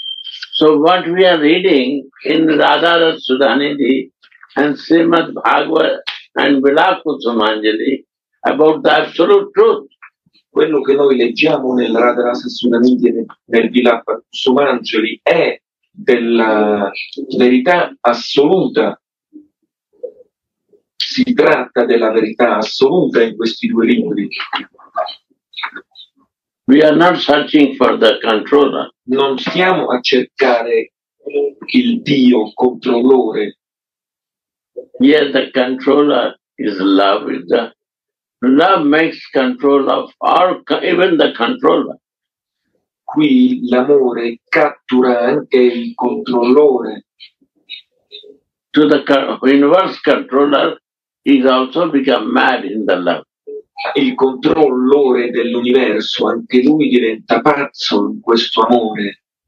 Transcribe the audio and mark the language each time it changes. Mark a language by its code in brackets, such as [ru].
[en] So what we are reading in Radha Rasa Sudhanidhi and Srimad Bhagavat and Vilakusumanjali about the absolute truth. [it] Quello che noi leggiamo nel Radha Rasa Sudhanidhi e nel Vilakusumanjali è della verità assoluta. Si tratta della verità assoluta in questi due libri. [en] We are not searching for the controller. [it] Non stiamo a cercare il Dio controllore. [en] Yes, the controller is love. Love makes control of all, even the controller. [it] Qui l'amore cattura anche il controllore. [en] To the inverse controller, he's also become mad in the love. [it] Il controllore dell'universo, anche lui diventa pazzo in questo amore.